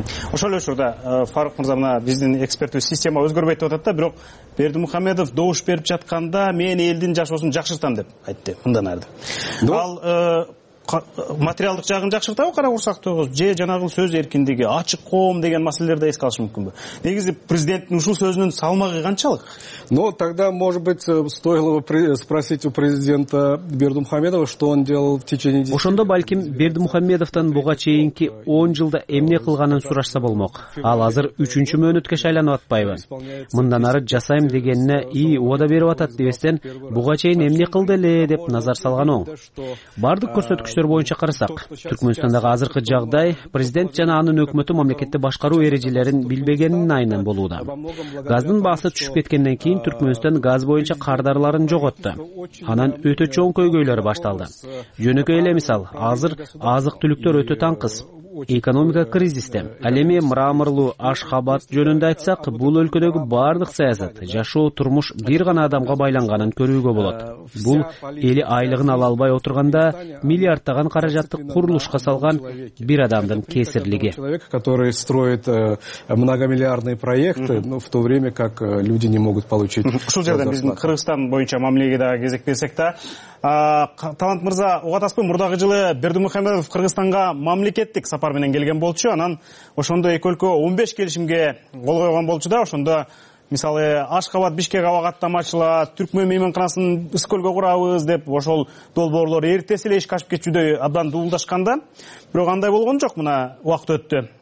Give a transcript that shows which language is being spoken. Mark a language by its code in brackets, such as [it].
[ky] Ошол эле учурда Фарук Мырза, мына биздин экспертибиз система өзгөрбөйт деп атат да, бирок Бердимухамедов добуш берип жатканда мен элдин жашоосун жакшыртам деп айтты мындан ары. Ал материалдык жагын жакшыртабы кара курсак тогуз, же жанагыл сөз эркиндиги, ачык коом деген маселелерди эске алыш мүмкүнбү? Негизи президенттин ушул сөзүнүн салмагы канчалык? [ru] Но тогда, может быть, стоило бы спросить у президента Бердимухамедова, что он делал в течение... [ky] Ошондо балким Бердимухамедовдон буга чейинки 10 жылда эмне кылганын сурашса болмок. Ал азыр 3-чү мөөнөткө шайланып атпайбы? Мындан ары жасайм дегенине убада берип атат дебестен, буга чейин эмне кылды эле деп назар салган оң. Бардык көрсөткүчтөр боюнча карасак, Түркмөнстандагы азыркы жагдай президент жана анын өкмөтү мамлекетти башкаруу эрежелерин билбегенин айынан болууда. Газдын баасы түшүп кеткенден кийин Түркмөнстан газ боюнча кардарларын жоготту. Анан өтө чоң көйгөйлөр башталды. Жөнөкөй эле мисал, азыр азык түлүктөр өтө таңкыз. экономика кризисте. Ал эми мраморлуу Ашхабад жөнүндө айтсак, бул өлкөдөгү бардык саясат, жашоо, турмуш бир гана адамга байланганын көрүүгө болот. Бул эли айлыгын ала албай отурганда миллиарддаган каражатты курулушка салган бир адамдын кесирлиги. [ru] Человек, который строит многомиллиардные проекты, но в то время как люди не могут получить. [ky] Ушул жерден биздин Кыргызстан боюнча мамлеге да кезек берсек да, Талант мырза, угатасызбы, мурдагы жылы Бердымухамедов Кыргызстанга мамлекеттик сапар менен келген болчу, анан ошондо эки өлкө 15 келишимге кол койгон болчу да, ошондо мисалы Ашхабад Бишкек ага каттамачыла, түркмөн мейманканасын Ысык-Көлгө курабыз деп ошол долбоорлор эртеси эле ишке ашып кетчүдө абдан дуулдашканда, бирок андай болгон жок, мына убакыт өттү.